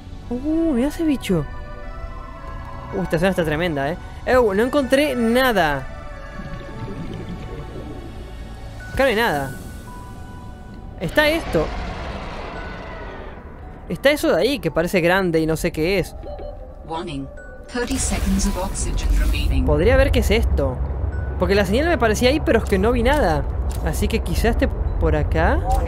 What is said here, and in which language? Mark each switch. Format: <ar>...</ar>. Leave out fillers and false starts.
<es>Mira ese bicho. Esta zona está tremenda, no encontré nada. Acá no hay nada. Está esto. Está eso de ahí, que parece grande y no sé qué es.</es> <en>Warning. 30 seconds of oxygen remaining.</en> <es>Podría ver qué es esto. Porque la señal me parecía ahí, pero es que no vi nada. Así que quizás esté por acá.</es>